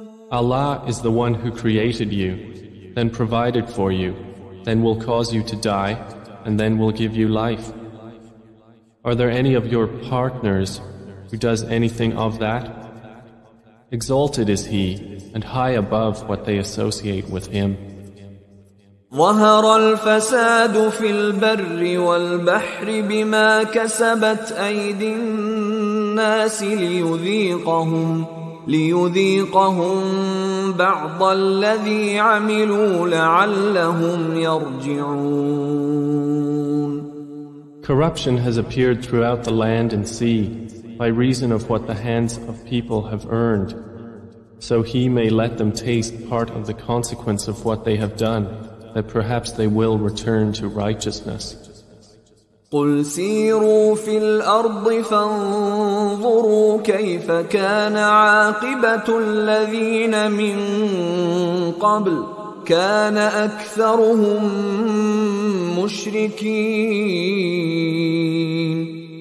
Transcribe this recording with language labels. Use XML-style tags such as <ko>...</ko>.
<en>Allah is the one who created you, then provided for you, then will cause you to die, and then will give you life. Are there any of your partners who does anything of that? Exalted is he, and high above what they associate with him.</en> <ar>ظهر الفساد في البر والبحر بما كسبت أيدي الناس ليذيقهم بعض الذي عملوا لعلهم يرجعون.</ar> <en>Corruption has appeared throughout the land and sea by reason of what the hands of people have earned, so he may let them taste part of the consequence of what they have done, that perhaps they will return to righteousness.</en> <ar>قُلْ سِيرُوا فِي الْأَرْضِ فَانْظُرُوا كَيْفَ كَانَ عَاقِبَةُ الَّذِينَ مِنْ قَبْلِ كَانَ أَكْثَرُهُمْ مُشْرِكِينَ.</ar>